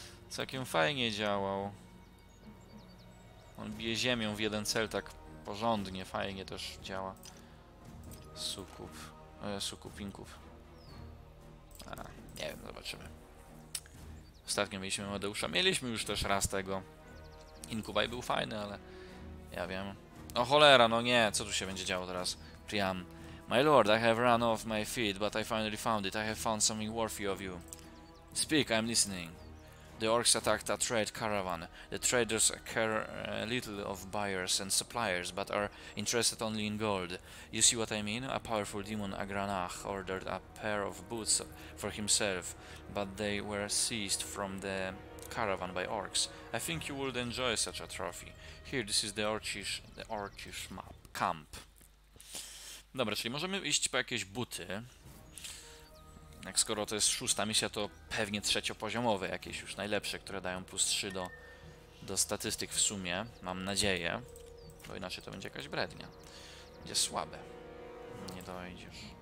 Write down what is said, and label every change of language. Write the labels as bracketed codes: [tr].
[pl] Całkiem fajnie działał. On bije ziemią w jeden cel tak porządnie, fajnie też działa. Sukup. Sukup Inków. A, nie wiem, zobaczymy. Ostatnio mieliśmy Medeusza. Mieliśmy już też raz tego. Inkubaj był fajny, ale... Ja wiem. O cholera, no nie, co tu się będzie działo teraz? Priam. [en] My lord, I have run off my feet, but I finally found it. I have found something worthy of you. Speak, I'm listening. The orcs attacked a trade caravan. The traders care little of buyers and suppliers, but are interested only in gold. You see what I mean? A powerful demon, Agranach, ordered a pair of boots for himself, but they were seized from the caravan by orcs. I think you would enjoy such a trophy. Here, this is the orcish map camp. [pl] Dobra, czyli możemy iść po jakieś buty. Jak skoro to jest szósta misja, to pewnie trzeciopoziomowe jakieś już najlepsze, które dają plus 3 do statystyk w sumie, mam nadzieję. Bo inaczej to będzie jakaś brednia. Będzie słabe. Nie dojdziesz.